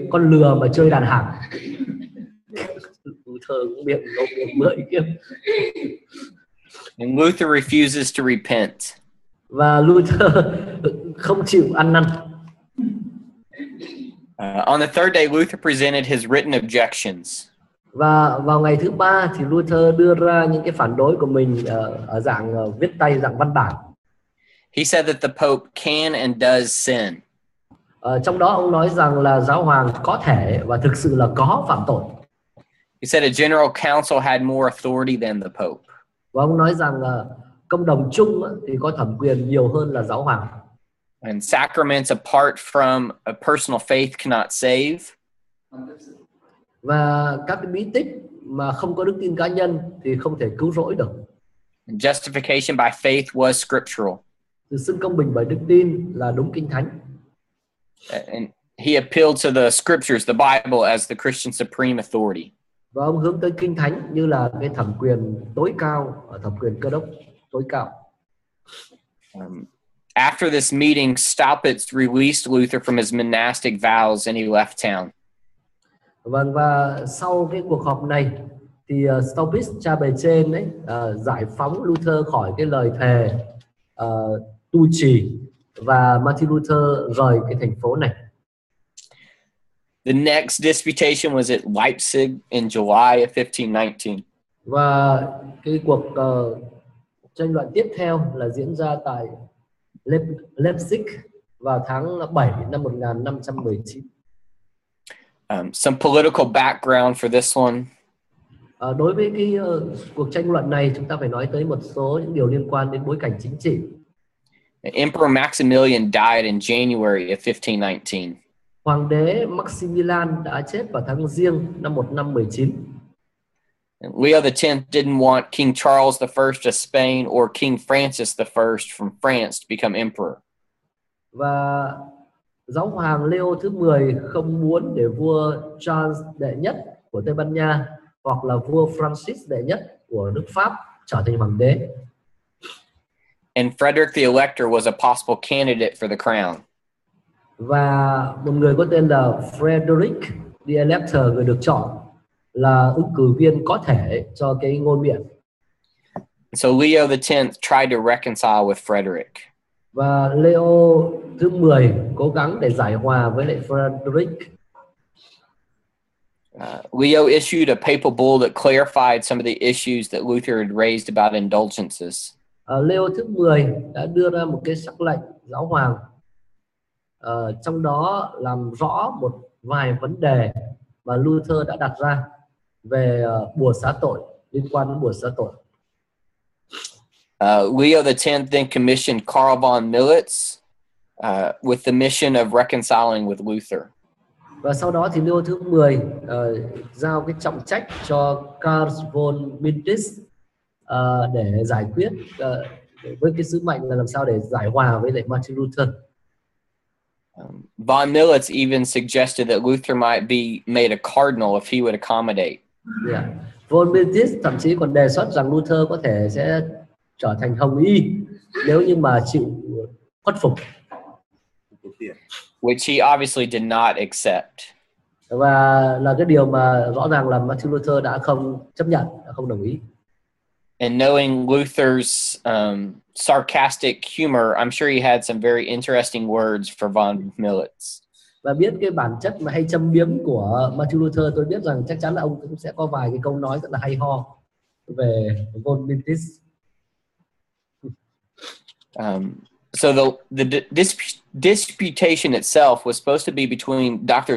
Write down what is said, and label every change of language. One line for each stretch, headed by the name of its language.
Vietnamese: Con lừa mà chơi đàn hạc. Luther cũng miệng ngậm mười kia.
English: Luther refuses to repent.
Vietnamese: Và Luther không chịu ăn năn.
English: On the third day, Luther presented his written objections.
Vietnamese: Và vào ngày thứ ba thì Luther đưa ra những cái phản đối của mình ở dạng viết tay, dạng văn bản.
English: He said that the Pope can and does sin.
Vietnamese: Trong đó ông nói rằng là giáo hoàng có thể và thực sự là có phạm tội.
English: He said a general council had more authority than the Pope.
Vietnamese: Và ông nói rằng công đồng chung thì có thẩm quyền nhiều hơn là giáo hoàng.
English: And sacraments apart from a personal faith cannot save.
Vietnamese: Và các cái bí tích mà không có đức tin cá nhân thì không thể cứu rỗi được.
English: And justification by faith was scriptural.
Vietnamese: Sự xưng công bình bởi đức tin là đúng kinh thánh.
English: And he appealed to the scriptures, the Bible, as the Christian supreme authority.
Vietnamese: Và ông hướng tới kinh thánh như là cái thẩm quyền tối cao, thẩm quyền cơ đốc tối cao.
English: After this meeting, Staupitz released Luther from his monastic vows and he left town.
Vietnamese: Vâng, và sau cái cuộc họp này thì Staupitz, cha bề trên ấy, giải phóng Luther khỏi cái lời thề tu trì, và Martin Luther rời cái thành phố này.
English: The next disputation was at Leipzig in July of 1519.
Vietnamese: Và cái cuộc tranh luận tiếp theo là diễn ra tại Leipzig vào tháng 7 năm 1519.
English: Some political background for this one.
Vietnamese: Đối với cái cuộc tranh luận này, chúng ta phải nói tới một số những điều liên quan đến bối cảnh chính trị.
English: Emperor Maximilian died in January of 1519.
Vietnamese: Hoàng đế Maximilian đã chết vào tháng Giêng năm 1519.
English: Leo X didn't want King Charles I of Spain or King Francis I from France to become emperor.
Vietnamese: Và giáo hoàng Leo thứ 10 không muốn để vua Charles đệ nhất của Tây Ban Nha hoặc là vua Francis đệ nhất của nước Pháp trở thành hoàng đế.
English: And Frederick the Elector was a possible candidate for the crown.
Vietnamese: Và một người có tên là Frederick the Elector, người được chọn, là ứng cử viên có thể cho cái ngôi miệng.
English: So Leo X tried to reconcile with Frederick.
Vietnamese: Và Leo thứ 10 cố gắng để giải hòa với lại Frederick.
English: Leo issued a papal bull that clarified some of the issues that Luther had raised about indulgences.
Vietnamese: Leo thứ 10 đã đưa ra một cái sắc lệnh giáo hoàng, trong đó làm rõ một vài vấn đề mà Luther đã đặt ra về bùa xá tội, liên quan đến bùa xá tội.
English: Leo X then commissioned Karl von Militz with the mission of reconciling with Luther.
Vietnamese: Và sau đó thì Leo thứ 10 giao cái trọng trách cho Karl von Militz để giải quyết với cái sứ mệnh là làm sao để giải hòa với lại Martin Luther.
English: Von Militz even suggested that Luther might be made a cardinal if he would accommodate. Yeah.
Vietnamese: Von Militz thậm chí còn đề xuất rằng Luther có thể sẽ trở thành hồng y nếu như mà chịu khuất phục.
English: Which he obviously did not accept.
Vietnamese: Và là cái điều mà rõ ràng là Martin Luther đã không chấp nhận, đã không đồng ý.
English: And knowing Luther's sarcastic humor, I'm sure he had some very interesting words for von Militz.
Vietnamese: Và biết cái bản chất mà hay châm biếm của Martin Luther, tôi biết rằng chắc chắn là ông cũng sẽ có vài cái câu nói rất là hay ho về von Militz.
English: So the disputation itself was supposed to be between Dr.